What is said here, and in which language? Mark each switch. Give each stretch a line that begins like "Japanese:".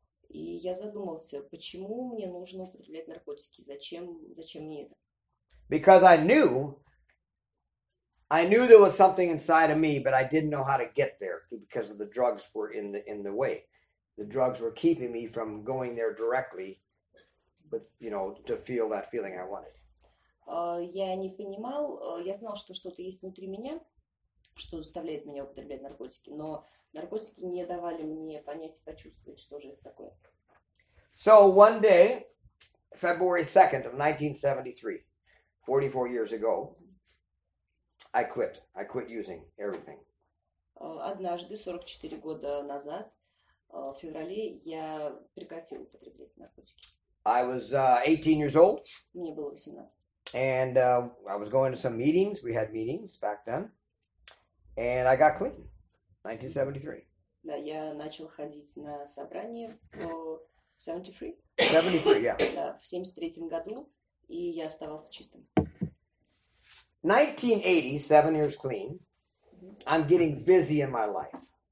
Russian: И я задумался, почему мне нужно употреблять наркотики? Зачем мне это?
English: Because I knew there was something inside of me, but I didn't know how to get there because of the drugs were in the way. The drugs were keeping me from going there directly with, you know, to feel that feeling I wanted.
Russian: Я не понимал, я знал, что что-то есть внутри меня, что заставляет меня употреблять наркотики, но наркотики не давали мне понять и почувствовать, что же это такое.
English: So one day, February 2nd of 1973, 44 years ago, I quit. I quit using everything.
Russian: Однажды, 44 года назад, в феврале, я прекратил употреблять наркотики.
English: I was 18 years old.
Russian: Мне было 18.
English: And I was going to some meetings. We had meetings back then. And I got clean. 1973.
Russian: Да, я начал ходить на собрания в 73.
English: 73, yeah.
Russian: Да, в 73 году, и я оставался чистым.
English: 1980, 7 years clean. I'm getting busy in my life.